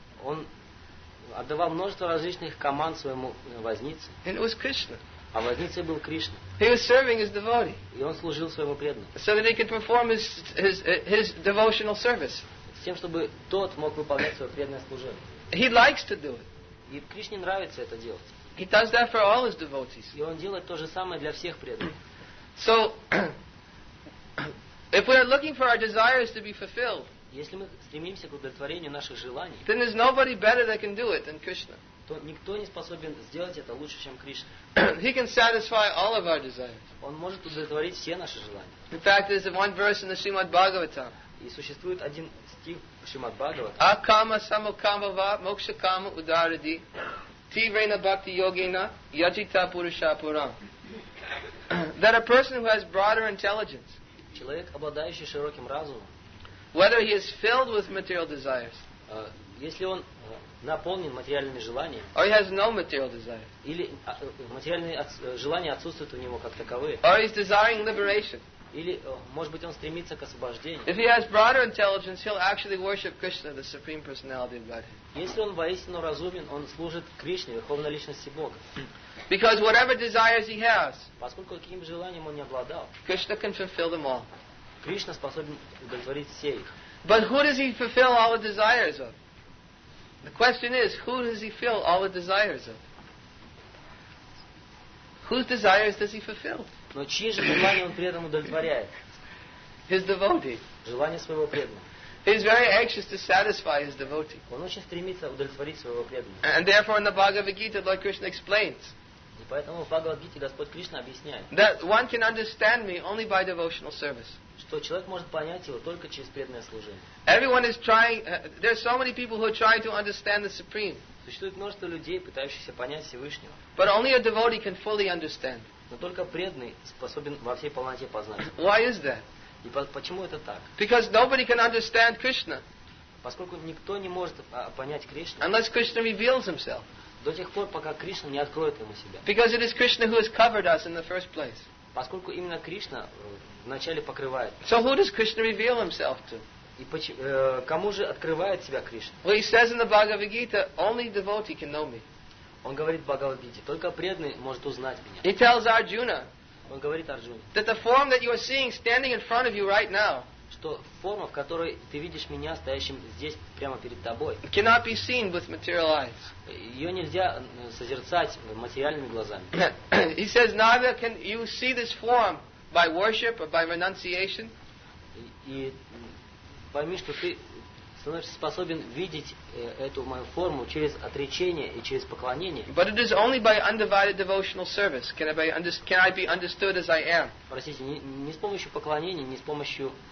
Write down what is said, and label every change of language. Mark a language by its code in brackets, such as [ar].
[ru] Он отдавал множество различных команд своему вознице. [en] And it was Krishna. [ru] А возницей был Кришна. [en] He was serving his devotee. [ru] И он служил своему преданному. [en] So that he could perform his devotional service. [ru] С тем, чтобы тот мог выполнять свое преданное служение. [en] He likes to do it. [ru] И Кришне нравится это делать. [en] He does that for all his devotees. [ru] И он делает то же самое для всех преданных. [en] So, if we are looking for our desires to be fulfilled, [ru] если мы стремимся к удовлетворению наших желаний, [en] then there's nobody better that can do it than Krishna. [ru] То никто не способен сделать это лучше, чем Кришна. [en] He can satisfy all of our desires. [ru] Он может удовлетворить все наши желания. [en] In fact, there's one verse in the Srimad Bhagavatam. [ru] И существует один стих в Шримад Бхагаватам. [sa] Акама самокама ва мокша кама ударади тирена бхакти йогина яджита пуруша пурам. [en] That a person who has broader intelligence, [ru] человек, обладающий широким разумом, [en] whether he is filled with material desires, [ru] если он наполнен материальными желаниями, [en] or he has no material desire, [ru] или материальные желания отсутствуют у него как таковые, [en] or he is desiring liberation, [ru] или может быть он стремится к освобождению, [en] if he has broader intelligence, he'll actually worship Krishna, the supreme personality of God. [ru] Если он воистину разумен, он служит Кришне, верховной личности Бога. [en] Because whatever desires he has, [ru] поскольку каким желанием он не обладал, [en] Krishna can fulfill them all. [ru] Кришна способен удовлетворить все их. [en] But who does he fulfill all the desires of? The question is, who does he fill all the desires of? Whose desires does he fulfill? [ru] Но чьи же желания он при этом удовлетворяет? [en] His devotee. [ru] Желание своего преданного. [en] He is very anxious to satisfy his devotee. [ru] Он очень стремится удовлетворить своего преданного. [en] And therefore, in the Bhagavad Gita, Lord Krishna explains. [ru] И поэтому в Бхагавад-гите Господь Кришна объясняет. [en] That one can understand me only by devotional service. [ru] Что человек может понять его только через преданное служение. [en] Everyone is trying. There are so many people who are trying to understand the Supreme. [ru] Существует множество людей, пытающихся понять Всевышнего. [en] But only a devotee can fully understand. [ru] Но только преданный способен во всей полноте познать. [en] Why is that? [ru] И почему это так? [en] Because nobody can understand Krishna. [ru] Поскольку никто не может понять Кришну. [en] Unless Krishna reveals himself. [ru] До тех пор, пока Кришна не откроет ему себя. [en] Because it is Krishna who has covered us in the first place. [ru] Поскольку именно Кришна вначале покрывает. [en] So who does Krishna reveal himself to? [ru] И кому же открывает себя Кришна? [en] Well, he says in the Bhagavad Gita, only devotee can know me. [ru] Он говорит в Бхагавад Гите, только преданный может узнать меня. [en] He tells Arjuna. [ru] Он говорит Арджуне. [en] That the form that you are seeing standing in front of you right now. [ru] Что форма, в которой ты видишь меня стоящим здесь прямо перед тобой. [en] Cannot be seen with material eyes. [ru] Ее нельзя созерцать материальными глазами. [en] He says neither can you see this form by worship or by renunciation. [ru] И пойми, что ты становишься способен видеть эту мою форму через отречение и через поклонение. [en] But it is only by undivided devotional service can I be understood as I am. [ru] Простите, не с помощью поклонения, не с помощью